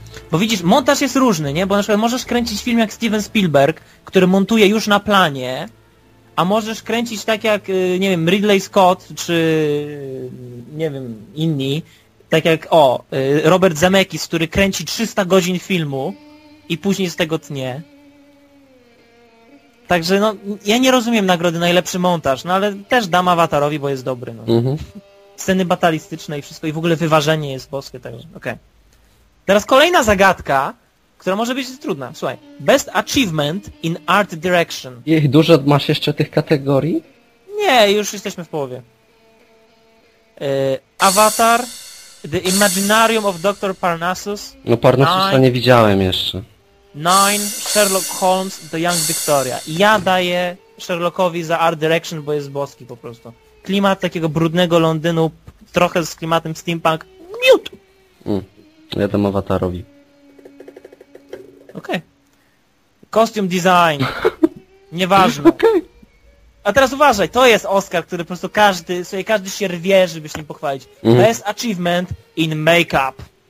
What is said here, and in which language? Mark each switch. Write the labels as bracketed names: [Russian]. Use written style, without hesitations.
[Polish] Bo widzisz, montaż jest różny, nie? Bo na przykład możesz kręcić film jak Steven Spielberg, który montuje już na planie, a możesz kręcić tak jak, nie wiem, Ridley Scott, czy nie wiem, inni, tak jak, Robert Zemeckis, który kręci 300 godzin filmu i później z tego tnie. Także, no, ja nie rozumiem nagrody najlepszy montaż, no ale też dam Avatarowi, bo jest dobry, no. Mhm. Sceny batalistyczne i wszystko, i w ogóle wyważenie jest boskie, także, okej. Teraz kolejna zagadka, która może być trudna. Słuchaj. [English] Best achievement in art direction. [Polish] Ich dużo masz jeszcze tych kategorii? Nie, już jesteśmy w połowie. [English] Avatar, The Imaginarium of Dr. Parnassus. [Polish] No Parnassusa nie widziałem jeszcze. [English] Nine, Sherlock Holmes, The Young Victoria. [Polish] Ja daję Sherlockowi za art direction, bo jest boski po prostu. Klimat takiego brudnego Londynu, trochę z klimatem steampunk. Miód! Ja dam Avatarowi. Okej. Okay. Costume design. Nieważne. Okej. A teraz uważaj, to jest Oscar, który po prostu każdy, sobie każdy się rwie, żeby się nim pochwalić. Mm. [English] Best achievement in makeup.